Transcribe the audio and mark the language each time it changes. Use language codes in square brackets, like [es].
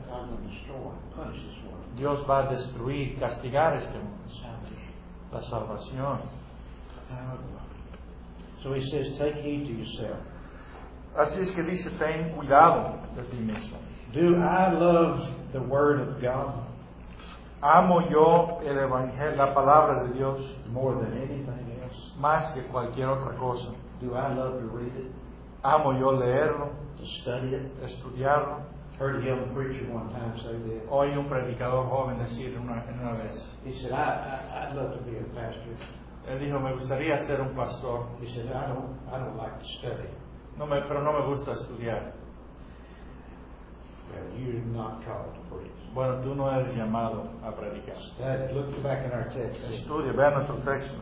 [en] God will destroy, punish this world. [es] Dios va a destruir, castigar este mundo. [en] Salvation. [es] La salvación. [en] So he says, take heed to yourself. [es] Así es que dice, ten cuidado de ti mismo. [en] Do I love the word of God? [es] Amo yo el evangelio, la palabra de Dios. [en] More than anything else. [es] Más que cualquier otra cosa. [en] Do I love to read it? [es] Amo yo leerlo. [en] To study it. [es] Estudiarlo. [en] Heard a young preacher one time say that. [es] Oí un predicador joven decir una vez. [en] He said, I'd love to be a pastor. [es] Él dijo, me gustaría ser un pastor. [en] He said, I don't like to study. [es] Pero no me gusta estudiar. [en] Well, you're not called to preach. [es] Bueno, tú no eres llamado a predicar. [en] Study, look back in our text. [es] Estudia, vea nuestro texto.